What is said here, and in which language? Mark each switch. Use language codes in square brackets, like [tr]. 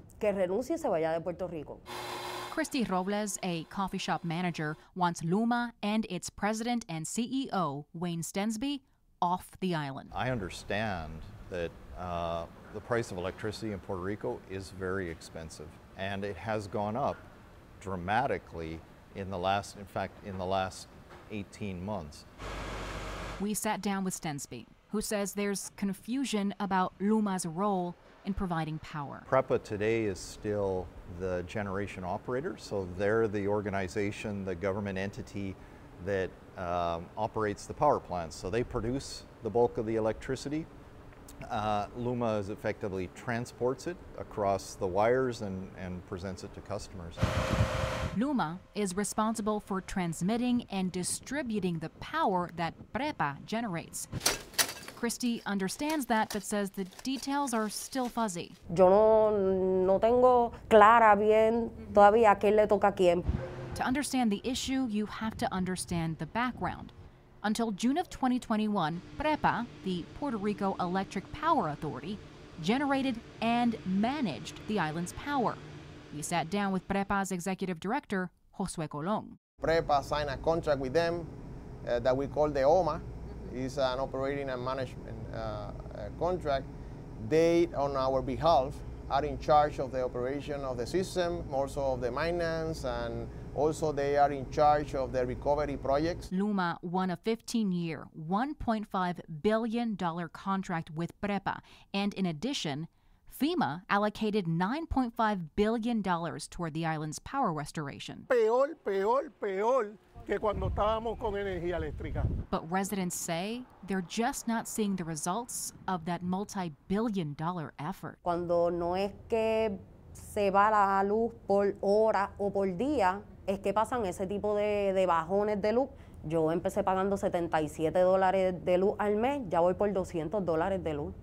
[es] Que renuncie y se vaya de Puerto Rico. [en] Christy Robles, a coffee shop manager, wants Luma and its president and CEO, Wayne Stensby, off the island. I understand that the price of electricity in Puerto Rico is very expensive, and it has gone up dramatically in the last 18 months. We sat down with Stensby, who says there's confusion about Luma's role in providing power. PREPA today is still the generation operator, so they're the organization, the government entity that operates the power plants. So they produce the bulk of the electricity. Luma is effectively transports it across the wires and presents it to customers. Luma is responsible for transmitting and distributing the power that PREPA generates. Christy understands that, but says the details are still fuzzy. [es] Yo no tengo clara bien todavía qué le toca a quién. [en] To understand the issue, you have to understand the background. Until June of 2021, PREPA, the Puerto Rico Electric Power Authority, generated and managed the island's power. We sat down with PREPA's executive director, Josue Colon. PREPA signed a contract with them that we call the OMA. It's an operating and management contract. They, on our behalf, are in charge of the operation of the system, also of the maintenance, and also they are in charge of the recovery projects. Luma won a 15-year, $1.5 billion contract with PREPA. And in addition, FEMA allocated $9.5 billion toward the island's power restoration. [es] Peor, peor, peor. Que cuando estábamos con energía eléctrica. [en] But residents say they're just not seeing the results of that multi-billion dollar effort. [es] Cuando no es que se va la luz por hora o por día, es que pasan ese tipo de bajones de luz. Yo empecé pagando $77 de luz al mes, ya voy por $200 de luz.